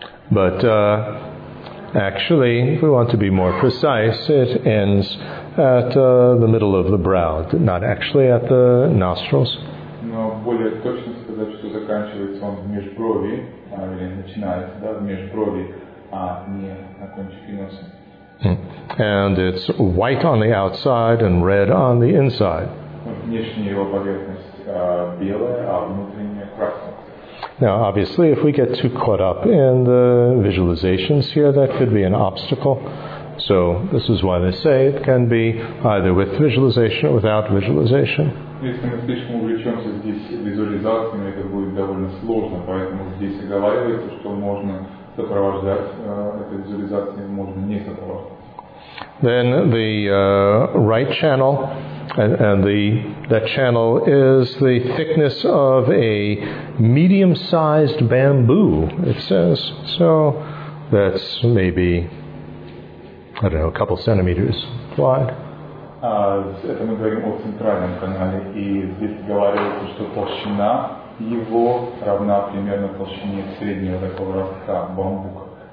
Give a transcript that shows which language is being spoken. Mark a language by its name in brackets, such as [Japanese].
[English] But actually, if we want to be more precise, it ends at the middle of the brow, not actually at the nostrils. [Russian] Но более точно сказать, что заканчивается он в межброви, или начинается, да, в межброви, а не на кончике носа. [English] And it's white on the outside and red on the inside. [Russian] Внешняя его поверхность белая, а внутренняя красная. [English] Now, obviously, if we get too caught up in the visualizations here, that could be an obstacle. So this is why they say it can be either with visualization or without visualization. [Russian] Если мы слишком увлечемся здесь визуализациями, это будет довольно сложно, поэтому здесь оговаривается, что можно сопровождать эту визуализацию, можно не сопровождать. [English] Then the right channel, and the that channel is the thickness of a medium-sized bamboo, it says. So that's maybe, I don't know, a couple centimeters wide. [Russian] Это мы говорим о центральном канале, и здесь говорится, что толщина его равна примерно толщине среднего такого ростка бамбука.